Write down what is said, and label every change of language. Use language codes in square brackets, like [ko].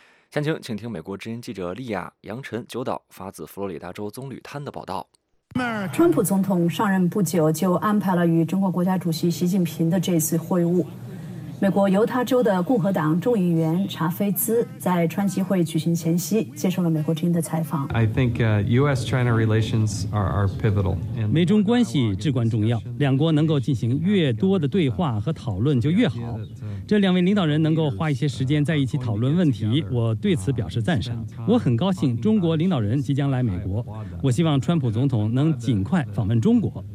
[zh] 详情请听美国之音记者利亚、杨晨、九岛发自佛罗里达州棕榈滩的报道。川普总统上任不久就安排了与中国国家主席习近平的这次会晤。美国犹他州的共和党众议员查菲兹在川习会举行前夕接受了美国之音的采访。 [en] I think U.S.-China relations are pivotal. [zh] 美中关系至关重要，两国能够进行越多的对话和讨论就越好。这两位领导人能够花一些时间在一起讨论问题，我对此表示赞赏。我很高兴中国领导人即将来美国，我希望川普总统能尽快访问中国。